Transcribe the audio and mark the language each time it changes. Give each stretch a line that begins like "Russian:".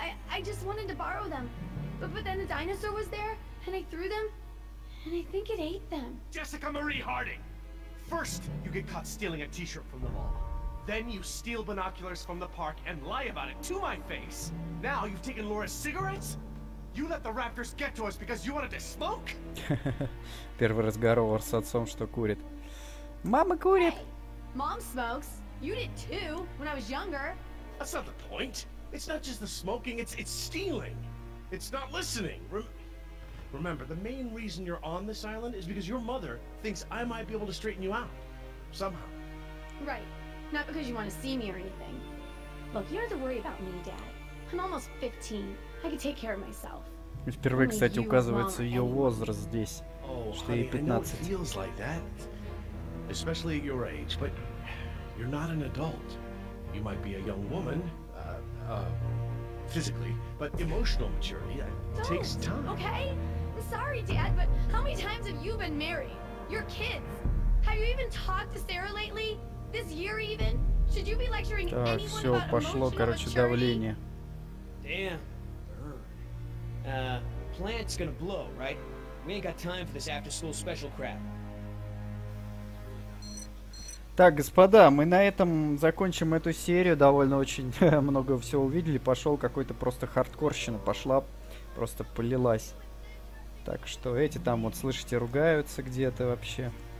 English: I just wanted to borrow them, but then the dinosaur was there, and I threw them, and I think it ate them. Jessica Marie Harding. First, you get caught stealing a T-shirt from the mall. Then you steal binoculars from the park and lie about it to my face. Now you've taken Laura's cigarettes? You let the raptors get to us because you wanted to smoke?
Russian: Первый разговор с отцом, что курит. Мама курит.
English: Mom smokes. You did too when I was younger. That's not the point. It's not just the smoking, it's stealing. It's not listening. Remember, the main reason you're on this island is because your mother thinks I might be able to straighten you out somehow. Right. Not because you want to see me or anything. Look, you don't have to worry about me, Dad. I'm almost 15. I can take care of myself.
Russian: Впервые, кстати, указывается ее возраст здесь, что ей 15.
English: Oh, honey, I know it feels like that. especially at your age, but you're not an adult. You might be a young woman, physically, but emotional maturity takes time. Okay? I'm sorry, Dad, but how many times have you been married? Your kids? Have you even talked to Sarah lately? This year even? Should you be lecturing
Russian: так,
English: anyone
Russian: все,
English: about
Russian: пошло,
English: emotional
Russian: короче,
English: maturity?
Russian: Давление.
English: Damn. Plant's gonna blow, right? We ain't got time for this after-school special crap.
Russian: Так, господа, мы на этом закончим эту серию. Довольно очень много всего увидели. Пошел какой-то просто хардкорщина. Пошла, просто полилась. Так что эти там, вот слышите, ругаются где-то вообще.